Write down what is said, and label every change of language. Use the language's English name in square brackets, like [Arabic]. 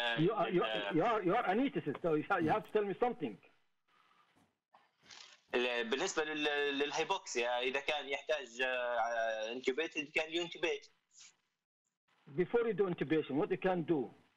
[English] you are anesthetist, so you have to tell me something. [Arabic] بالنسبة للهايبوكسيا إذا كان يحتاج [English] intubated can you intubate? Before you do intubation, what you can do?